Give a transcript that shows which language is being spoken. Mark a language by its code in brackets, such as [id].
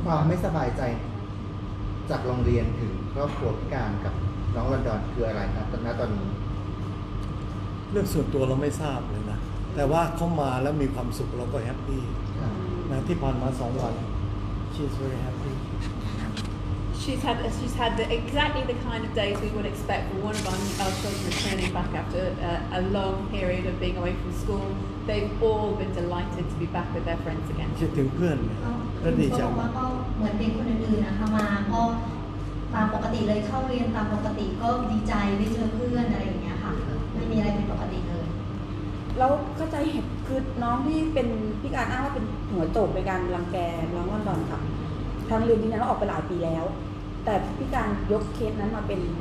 [th] ความไม่สบายใจจากโรงเรียนถึงครอบครัวพิการกับน้องลอนดอนคืออะไรครับตอนนี้เรื่องส่วนตัวเราไม่ทราบเลยนะแต่ว่าเขามาแล้วมีความสุขเราก็แฮปปี้นะที่ผ่านมา2วัน [en] she's very happy She's had exactly the kind of days we would expect for one of our children returning back after a long period of being away from school. They've all been delighted to be back with their friends again. [th] คิดถึงเพื่อน ก็ดีใจก็เหมือนเด็กคนอื่นๆนะคะมาก็ตามปกติเลยเข้าเรียนตามปกติก็ดีใจได้เจอเพื่อนอะไรอย่างเงี้ยค่ะไม่มีอะไรผิดปกติเลย แล้วเข้าใจเหตุคือน้องที่เป็นพี่การอ้างว่าเป็นหัวโจกในการรังแกน้องวันดอนค่ะทางเรียนนี้นะเราออกไปหลายปีแล้วแต่พี่การยกเคสนั้นมาเป็น